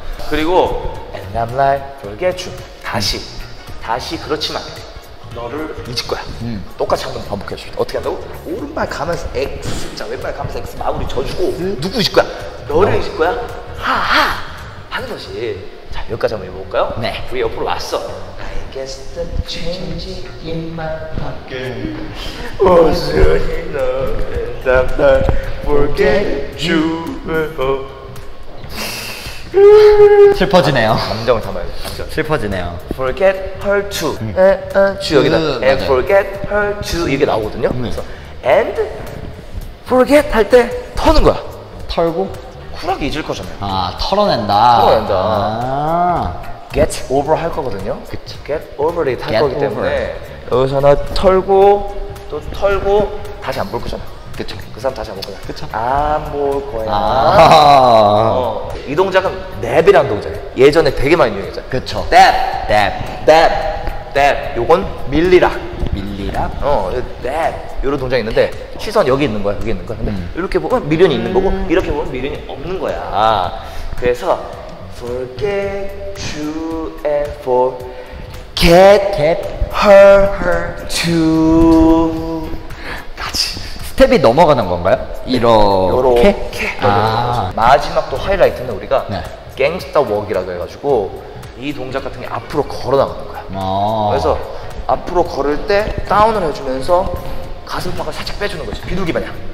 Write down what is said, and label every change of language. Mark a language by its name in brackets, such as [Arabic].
[Korean] 그리고 [English] and I'm like forget you [Korean] 다시 다시 그렇지만 너를 잊을 거야. 똑같이 한번 반복해 주세요. 어떻게 한다고? 오른발 가면서 X 자 왼발 가면서 X 마무리 쳐주고 누구 잊을 거야? 너를 잊을 거야? 하하! 하는 것이 자 여기까지 한번 해볼까요? 네. 우리 옆으로 왔어. [English] I guess the change in my pocket was enough and I'm not forget you [Korean] 슬퍼지네요. 감정을 담아야 돼. 슬퍼지네요. [English] Forget her too. [Korean] 주 여기다. [English] And forget her too [Korean] 이게 나오거든요. 그래서 [English] and forget [Korean] 할 때 터는 거야. 털고 쿨하게 잊을 거잖아요. 아 털어낸다. 털어낸다. 아. [English] Get over [Korean] 할 거거든요. 그쵸. [English] Get over it [Korean] 할 거기 때문에 여기서 나 털고 또 털고 다시 안 볼 거잖아. 그쵸. 그 사람 다시 안 볼 거야. 그쵸. 안 볼 거야. 아. 이 동작은 랩이라는 동작이에요. 예전에 되게 많이 유행했잖아. 그쵸. 랩. 랩. 랩. 랩. 요건 밀리락. 밀리락? 어. 랩. 요런 동작이 있는데 시선 여기 있는 거야. 여기 있는 거야. 근데 이렇게 보면 미련이 있는 거고 이렇게 보면 미련이 없는 거야. 그래서 [English] forget you and forget get her her to [Korean] 스텝이 넘어가는 건가요? 이렇게? 이렇게. 아. 마지막 또 하이라이트는 우리가 네. 갱스터 웍이라고 해가지고 이 동작 같은 게 앞으로 걸어나가는 거야. 그래서 앞으로 걸을 때 다운을 해주면서 가슴팍을 살짝 빼주는 거지. 비둘기 마냥.